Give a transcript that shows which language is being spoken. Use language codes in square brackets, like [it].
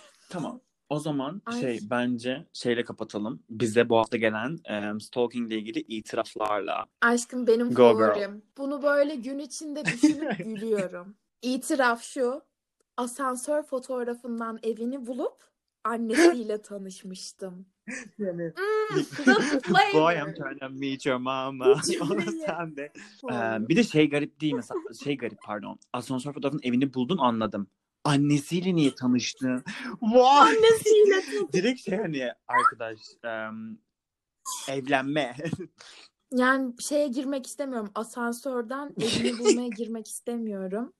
[tr] Tamam. O zaman şey, bence şeyle kapatalım. Bize bu hafta gelen stalking ile ilgili itiraflarla. Aşkım benim Go favorim. Girl. Bunu böyle gün içinde düşünüp gülüyorum. İtiraf şu. Asansör fotoğrafından evini bulup annesiyle tanışmıştım. Yani, [en] boy I'm trying to meet your mama. [tr] Onu sen de. Bir de şey garip değil mesela. Şey garip, pardon. Asansör fotoğrafının evini buldum, anladım. Annesiyle niye tanıştı? Vay! Annesiyle. Direkt şey, hani arkadaş evlenme. Yani şeye girmek istemiyorum. Asansörden evini bulmaya girmek istemiyorum.